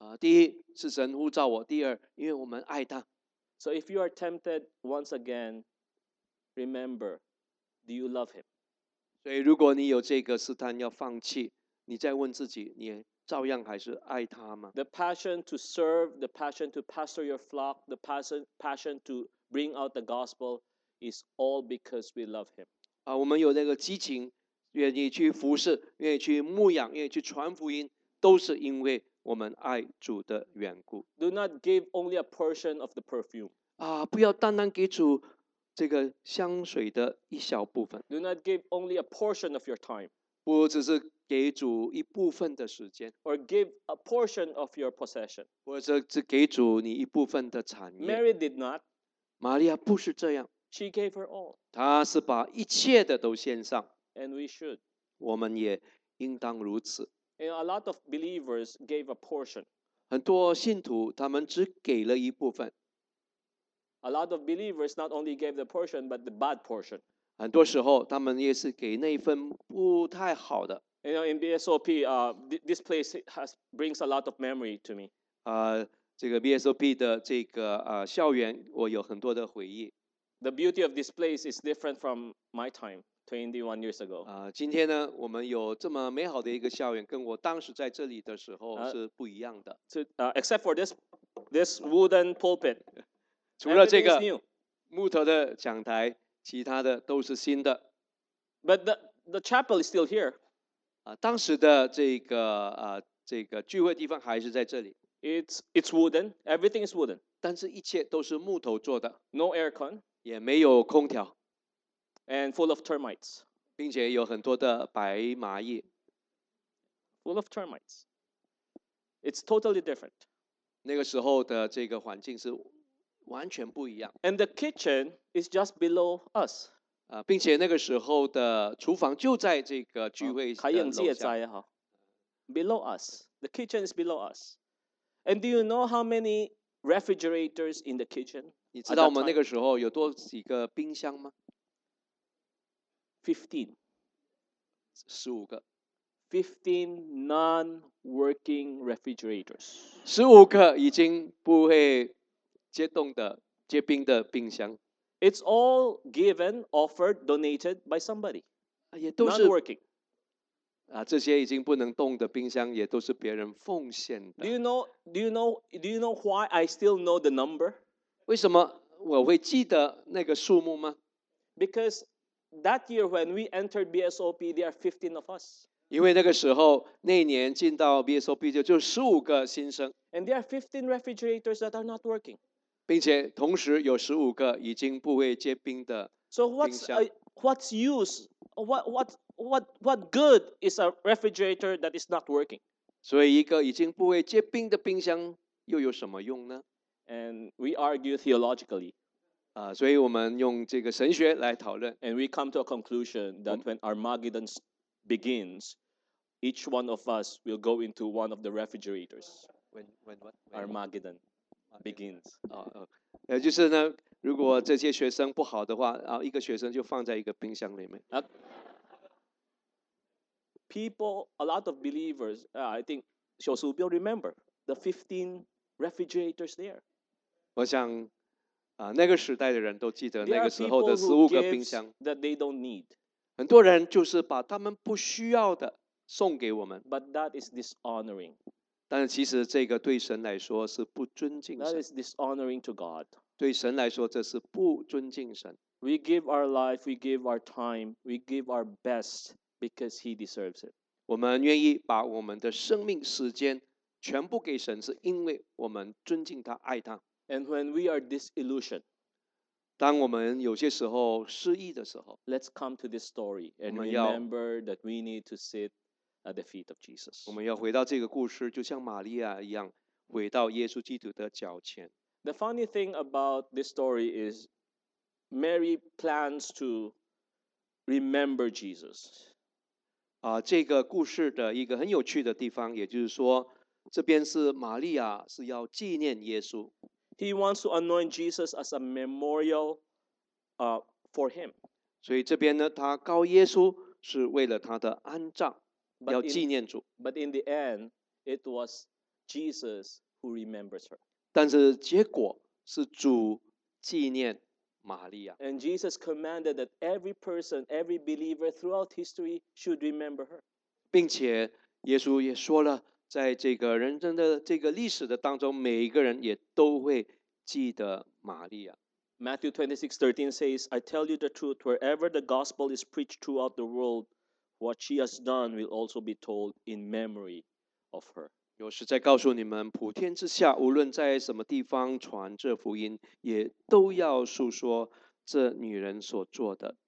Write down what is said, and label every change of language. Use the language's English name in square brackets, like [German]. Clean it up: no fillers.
[Chinese] 第一是神呼召我，第二因为我们爱他。 [English] So if you are tempted once again, remember, do you love Him? [Chinese] 所以如果你有这个试探要放弃，你再问自己，你照样还是爱他吗？ [English] The passion to serve, the passion to pastor your flock, the passion to bring out the gospel is all because we love Him. [Chinese] 我们有那个激情。愿意去服侍，愿意去牧养，愿意去传福音，都是因为我们爱主的缘故。 [English] Do not give only a portion of the perfume. [Chinese] 不要单单给主这个香水的一小部分。 [English] Do not give only a portion of your time. [Chinese] 不只是给主一部分的时间。 [English] Or give a portion of your possession. [Chinese] 或者只给主你一部分的产业。 [English] Mary did not. [Chinese] 玛利亚不是这样。 [English] She gave her all. [Chinese] 她是把一切的都献上。 [English] And we should. [Chinese] 我们也应当如此。 [English] And a lot of believers gave a portion. [Chinese] 很多信徒他们只给了一部分。 [English] A lot of believers not only gave the portion, but the bad portion. [Chinese] 很多时候他们也是给那份不太好的。 [English] You know, in BSOP, this place brings a lot of memory to me. [Chinese] 这个 BSOP 的这个校园，我有很多的回忆。 [English] The beauty of this place is different from my time 21 years ago. [Chinese] 今天呢，我们有这么美好的一个校园，跟我当时在这里的时候是不一样的。 [English] Except for this wooden pulpit. [Chinese] 除了这个木头的讲台，其他的都是新的。 [English] But the chapel is still here. [Chinese] 当时的这个聚会地方还是在这里。 [English] It's wooden. Everything is wooden. [Chinese] 但是一切都是木头做的。 [English] No aircon. [Chinese] 也没有空调。 [English] And full of termites. [Chinese] 并且有很多的白蚂蚁。 [English] Full of termites. It's totally different. [Chinese] 那个时候的这个环境是完全不一样。 [English] And the kitchen is just below us. 并且那个时候的厨房就在这个聚会的楼下。 [Chinese] 在哈。 [English] Below us. The kitchen is below us. And do you know how many refrigerators in the kitchen? [Chinese] 你知道我们那个时候有多几个冰箱吗？ [English] 15. [Chinese] 15个。 [English] 15 non-working refrigerators. [Chinese] 15个已经不会结冻的、结冰的冰箱。 [English] It's all given, offered, donated by somebody. [Chinese] 也都是 [English] non-working. [Chinese] 这些已经不能动的冰箱也都是别人奉献的。 [English] Do you know why I still know the number? [Chinese] 为什么我会记得那个数目吗？ [English] Because that year when we entered BSOP, there are 15 of us. [Chinese] 因为那个时候，那年进到 BSOP 就15个新生。 [English] And there are 15 refrigerators that are not working. [Chinese] 并且同时有15个已经不会结冰的冰箱。 [English] So what's use? What good is a refrigerator that is not working? [Chinese] 所以一个已经不会结冰的冰箱又有什么用呢？ [English] And we argue theologically. [Chinese] 所以我们用这个神学来讨论。 [English] And we come to a conclusion that when Armageddon begins, each one of us will go into one of the refrigerators. When what? Armageddon begins. [Chinese] 就是呢，如果这些学生不好的话，一个学生就放在一个冰箱里面。 [English] People, a lot of believers, I think, Xiao Su Biao remember the 15 refrigerators there. [Chinese] 我想，那个时代的人都记得那个时候的15个冰箱。 [English] That they don't need. [Chinese] 很多人就是把他们不需要的送给我们。 [English] But that is dishonoring. [Chinese] 但其实这个对神来说是不尊敬神。 [English] That is dishonoring to God. [Chinese] 对神来说这是不尊敬神。 [English] We give our life, we give our time, we give our best. Because he deserves it. [Chinese] 我们愿意把我们的生命时间全部给神，是因为我们尊敬他，爱他。 [English] And when we are disillusioned, [Chinese] 当我们有些时候失意的时候， [English] let's come to this story and remember that we need to sit at the feet of Jesus. [Chinese] 我们要回到这个故事，就像玛利亚一样，回到耶稣基督的脚前。 [English] The funny thing about this story is Mary plans to remember Jesus. [Chinese] 这个故事的一个很有趣的地方，也就是说，这边是玛利亚是要纪念耶稣。 [English] He wants to anoint Jesus as a memorial, for him. [Chinese] 所以这边呢，他膏耶稣是为了他的安葬，要纪念主。 [English] But in the end, it was Jesus who remembers her. [Chinese] 但是结果是主纪念Maria. [English] And Jesus commanded that every person, every believer throughout history should remember her. [Chinese] 并且耶稣也说了，在这个人生的这个历史的当中，每一个人也都会记得玛利亚。 [English] Matthew 26:13 says, I tell you the truth, wherever the gospel is preached throughout the world, what she has done will also be told in memory of her. [Chinese] 有实在告诉你们，普天之下，无论在什么地方传这福音，也都要述说这女人所做的。